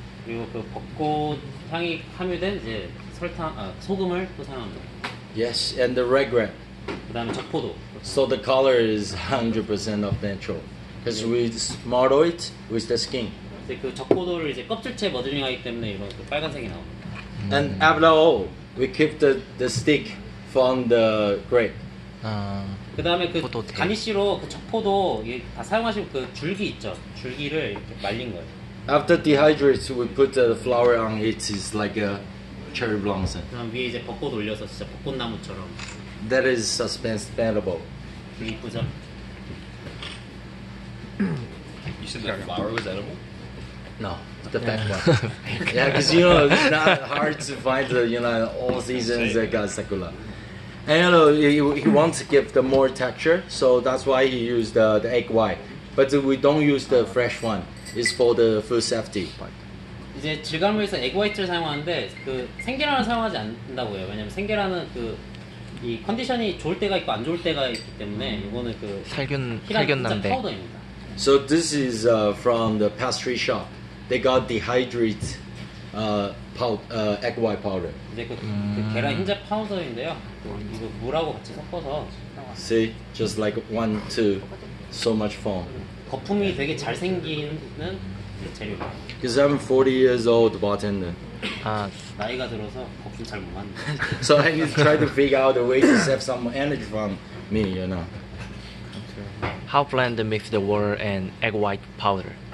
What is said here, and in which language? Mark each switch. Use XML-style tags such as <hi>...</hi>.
<ko>그리고 그 벚꽃 향이 함유된 이제 소금을 또 사용합니다.</ko> <en>Yes, and the red grape.</en> <ko>그 다음에 적포도.</ko> <en>So the color is 100% of natural. Because we smart oil with the skin.</en> <ko>이제 그 적포도를 이제 껍질째 머지링하기 때문에 이런 그 빨간색이 나옵니다.</ko> <en>And after all, we keep the stick from the grape.</en> <ko>그 다음에 그 가니쉬로 그 적포도 다 사용하시고 그 줄기 있죠. 줄기를 이렇게 말린 거예요.</ko> <en>After dehydrate, we put the flower on it. It's like a cherry blossom.</en> <ko>그럼 위에 이제 벚꽃 올려서 진짜 벚꽃나무처럼.</ko> <en>That is suspendable.</en> <ko>이쁘죠?</ko> <en>You said the flower was edible? No, the back one. Yeah, because you know, it's not hard to find the, you know, all seasons that got sakura. And you know, he wants to give the more texture, so that's why he used the egg white. But we don't use the fresh one. It's for the food safety.</en> <ko>이제 질감을 위해서 에그화이트를 사용하는데 그 생계란을 사용하지 않는다고 해요. 왜냐면 생계란은 그 이 컨디션이 좋을 때가 있고 안 좋을 때가 있기 때문에 이거는 그 살균난데.</ko> <en>So this is from the pastry shop. They got dehydrate egg white powder.</en> <ko>이제 그 계란 흰자 파우더인데요. 이거 물하고 같이 섞어서.</ko> <en>See, just like one, two, so much foam.</en> <ko>거품이 되게 잘 생기는 재료.</ko> <en>Because I'm 40 years old bartender.</en> <ko>아, 나이가 들어서 거품 잘 못 만드.</ko> <en>So I need to try to figure out a way to save some energy from me, you know. How blend the mix the water and egg white powder?</en>